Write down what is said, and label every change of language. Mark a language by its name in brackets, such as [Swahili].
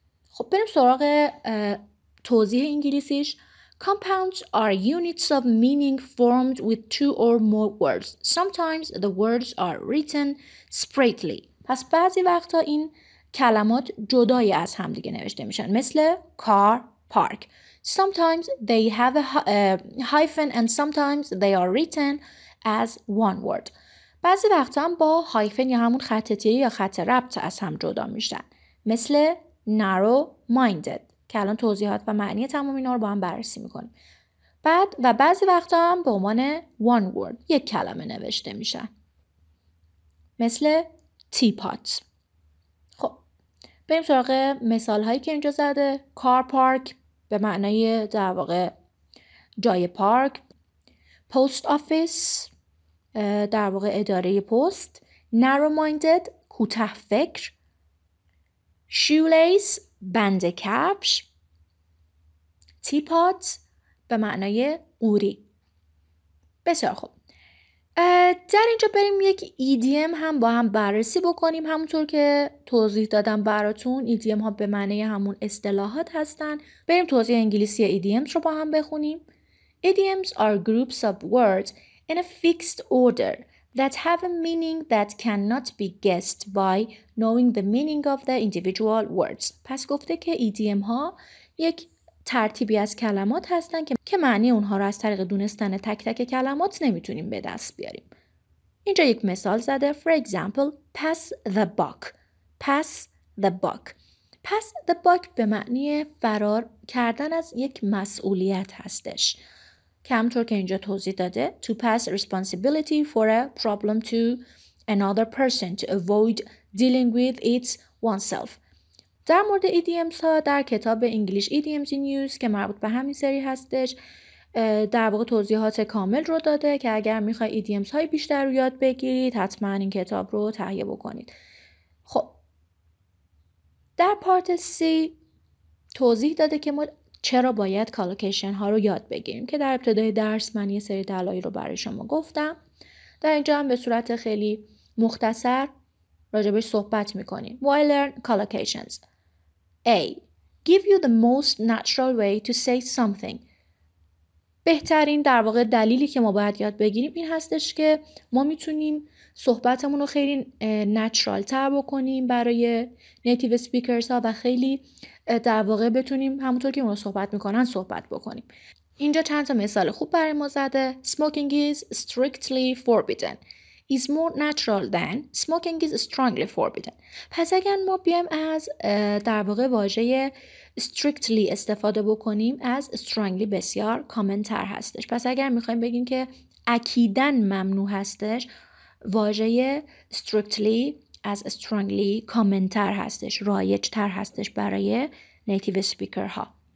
[Persian] خب بریم سراغ توضیح انگلیسیش. [English] Compounds are units of meaning formed with two or more words. Sometimes the words are written separately. [Persian] پس بعضی وقتا این کلمات جدای از هم دیگه نوشته میشن، مثل car, park. [English] Sometimes they have a hyphen and sometimes they are written as one word. [Persian] بعضی وقتا هم با هایفن یا همون خط تیره یا خط ربط از هم جدا میشن، مثل narrow-minded. که الان توضیحات و معنی تمام اینا رو با هم بررسی میکنیم. بعد و بعضی وقتا هم به عنوان [English] one word، [Persian] یک کلمه نوشته میشن، مثل teapot. خب بریم سراغ مثال هایی که اینجا زده. car park به معنی در واقع جای پارک. post office در واقع اداره پست. narrow minded کوتاه فکر. shoelace بند کفش. تیپات به معنای قوری. بسیار خوب. در اینجا بریم یک ایدیم هم با هم بررسی بکنیم. همونطور که توضیح دادم براتون، ایدیم ها به معنی همون اصطلاحات هستن. بریم توضیح انگلیسی ایدیمز رو با هم بخونیم. [English] Idioms are groups of words in a fixed order that have a meaning that cannot be guessed by knowing the meaning of the individual words. [Persian] پس گفته که ایدیم ها یک ترتیبی از کلمات هستن که معنی اونها رو از طریق دونستن تک تک کلمات نمیتونیم به دست بیاریم. اینجا یک مثال زده. [English] For example, pass the buck. Pass the buck. Pass the buck [Persian] به معنی فرار کردن از یک مسئولیت هستش. کمطور که اینجا توضیح داده. [English] To pass responsibility for a problem to another person to avoid dealing with it oneself. [Persian] در مورد ایدیمز ها در کتاب انگلیش ایدیمز این یوز که مربوط به همین سری هستش در واقع توضیحات کامل رو داده که اگر میخوای ایدیمز های بیشتر رو یاد بگیرید حتما این کتاب رو تهیه بکنید. خب در پارت سی توضیح داده که ما چرا باید کالوکیشن ها رو یاد بگیریم که در ابتدای درس من یه سری دلایل رو برای شما گفتم. در اینجا هم به صورت خیلی مختصر راجبش صحبت میکنیم. [English] Why learn collocations? A. Give you the most natural way to say something. [Persian] بهترین در واقع دلیلی که ما باید یاد بگیریم این هستش که ما میتونیم صحبتمون رو خیلی natural تر بکنیم برای native speakers ها و خیلی در واقع بتونیم همونطور که اونو صحبت میکنن صحبت بکنیم. اینجا چند تا مثال خوب برای ما زده. [English] Smoking is strictly forbidden. is more natural than smoking is strongly forbidden. [Persian] پس اگر ما بیایم از در واقع واژه strictly استفاده بکنیم از strongly بسیار کامنتر هستش. پس اگر میخوایم بگیم که اکیداً ممنوع هستش، واژه strictly از strongly کامنتر هستش، رایج‌تر هستش برای نیتیو اسپیکر ها.